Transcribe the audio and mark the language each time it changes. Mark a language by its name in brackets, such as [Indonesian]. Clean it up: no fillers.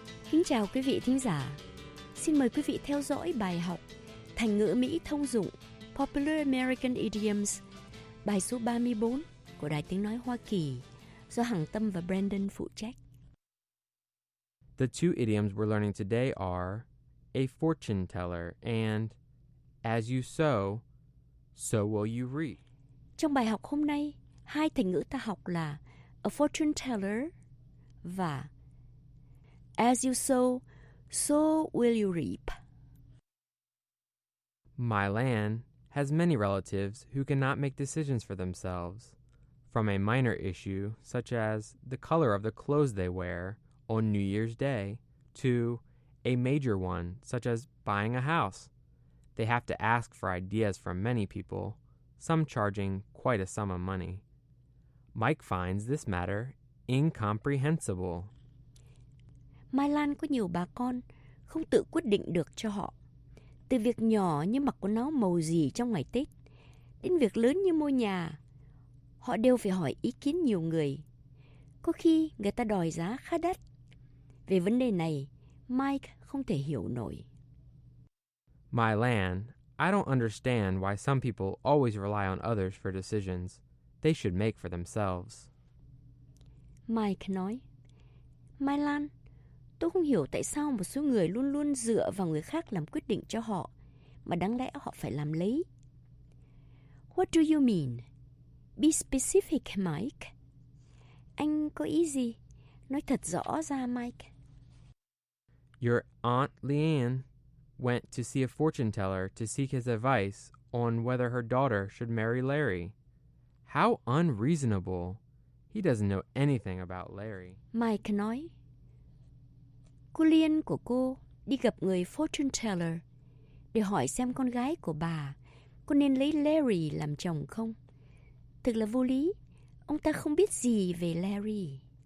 [Vietnamese] Kính chào quý vị thính giả. Xin mời quý vị theo dõi bài học thành ngữ Mỹ thông dụng [English] Popular American Idioms, [Vietnamese] bài số 34 của Đài Tiếng Nói Hoa Kỳ, do Hằng Tâm và Brandon phụ trách. [English] The two idioms we're learning today are a fortune teller and as you sow, so will you reap. [Vietnamese] Trong bài học hôm nay, hai thành ngữ ta học là [English] a fortune teller [Vietnamese] và [English] as you sow, so will you reap. My land has many relatives who cannot make decisions for themselves, from a minor issue such as the color of the clothes they wear on New Year's Day to a major one such as buying a house. They have to ask for ideas from many people, some charging quite a sum of money. Mike finds this matter incomprehensible. [Vietnamese] My land có nhiều bà con không tự quyết định được cho họ. Từ việc nhỏ như mặc quần áo màu gì trong ngày Tết, đến việc lớn như mua nhà, họ đều phải hỏi ý kiến nhiều người. Có khi người ta đòi giá khá đắt. Về vấn đề này, Mike không thể hiểu nổi. [English] My land, I don't understand why some people always rely on others for decisions they should make for themselves. [Vietnamese] Mike nói, My land, tôi không hiểu tại sao một số người luôn luôn dựa vào người khác làm quyết định cho họ, mà đáng lẽ họ phải làm lấy. [English] What do you mean? Be specific, Mike. [Vietnamese] Anh có ý gì? Nói thật rõ ra, Mike. [English] Your Aunt Leanne went to see a fortune teller to seek his advice on whether her daughter should marry Larry. How unreasonable. He doesn't know anything about Larry. [Vietnamese] Mike nói, cô Liên của cô đi gặp người fortune teller để hỏi xem con gái của bà có nên lấy Larry làm chồng không. Thực là vô lý, ông ta không biết gì về Larry.